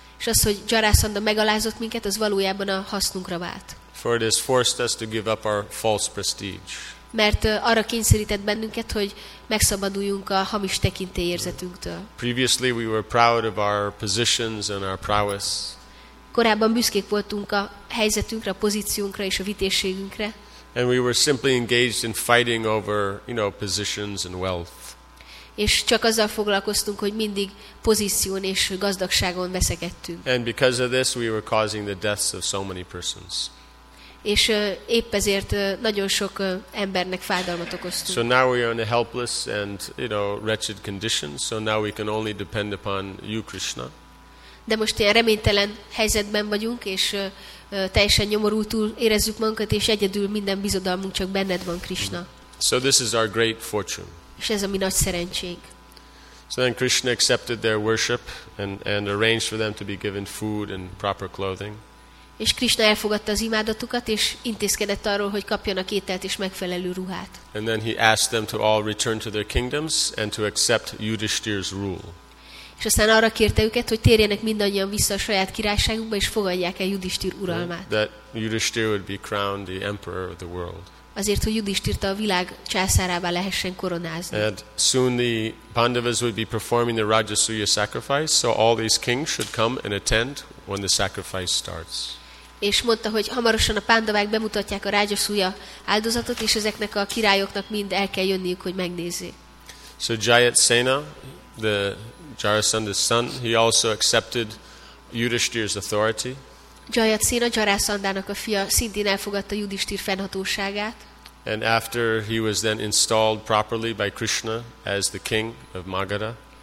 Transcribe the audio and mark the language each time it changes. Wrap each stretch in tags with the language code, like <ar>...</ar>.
<hu>És az, hogy Jarasandha megalázott minket, az valójában a hasznunkra vált.</hu> <en>For it has forced us to give up our false prestige.</en> <hu>Mert arra kényszerített bennünket, hogy megszabaduljunk a hamis tekintélyérzetünktől.</hu> <en>Previously we were proud of our positions and our prowess.</en> <hu>Korábban büszkék voltunk a helyzetünkre, a pozíciónkra és a vitézségünkre.</hu> <en>And we were simply engaged in fighting over, you know, positions and wealth.</en> <hu>És csak azzal foglalkoztunk, hogy mindig pozíción és gazdagságon veszekedtünk.</hu> <en>And because of this we were causing the deaths of so many persons.</en> <hu>És épp ezért nagyon sok embernek fájdalmat okoztunk.</hu> <en>So now we are in a helpless and, you know, wretched condition, so now we can only depend upon you, Krishna.</en> <hu>De most ilyen reménytelen helyzetben vagyunk, és teljesen nyomorultul érezzük magunkat, és egyedül minden bizodalmunk csak benned van, Krishna.</hu> <en>So this is our great fortune.</en> <hu>És ez a mi nagy szerencsénk.</hu> <en>So then Krishna accepted their worship and arranged for them to be given food and proper clothing.</en> <hu>És Krishna elfogadta az imádatukat, és intézkedett arról, hogy kapjanak ételt és megfelelő ruhát.</hu> <en>And then he asked them to all return to their kingdoms and to accept Yudhishthira's rule.</en> <hu>És aztán arra kérte őket, hogy térjenek mindannyian vissza a saját királyságukba, és fogadják el Yudhishthira uralmát.</hu> <en>That Yudhishthira would be crowned the emperor of the world.</en> <hu>Azért, hogy Yudhishthira a világ császárává lehessen koronázni.</hu> <en>And soon the Pandavas would be performing the Rajasuya sacrifice, so all these kings should come and attend when the sacrifice starts.</en> <hu>És mondta, hogy hamarosan a Pandavák bemutatják a Rajasuya áldozatot, és ezeknek a királyoknak mind el kell jönniük, hogy megnézzék.</hu> <en>So Jayatsena, the Jarasandha's son, he also accepted Yudhishthira's authority.</en> <hu>Jayatsena, Jarasandának a fia, szintén elfogadta Yudhishthira fennhatóságát.</hu> <en>And after he was then installed properly by Krishna as the king of Magadha.</en>